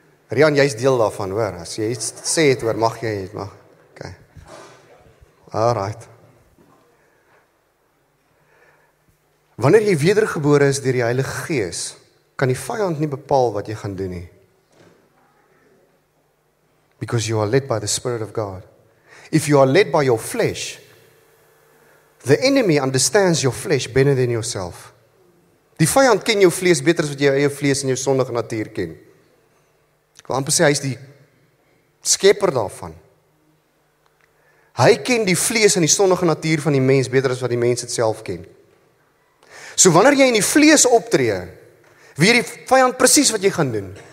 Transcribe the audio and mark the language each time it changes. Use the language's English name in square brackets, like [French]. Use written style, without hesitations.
[Afrikaans] Rian, jy's deel daarvan, hoor. As jy iets sê het oor, mag jy het, mag. OK. Alright. Wanneer jy wedergebore is deur die Heilige Gees, kan die vyand nie bepaal wat jy gaan doen nie. [English] Because you are led by the Spirit of God. If you are led by your flesh, the enemy understands your flesh better than yourself. [Afrikaans] Die vijand ken jou vlees beter as wat jou eie vlees en jou sondige natuur ken. Ek wil amper sê, hy is die skepper daarvan. Hy ken die vlees en die sondige natuur van die mens beter as wat die mens het self ken. So wanneer jy in die vlees optree, weet die vijand precies wat jy gaan doen.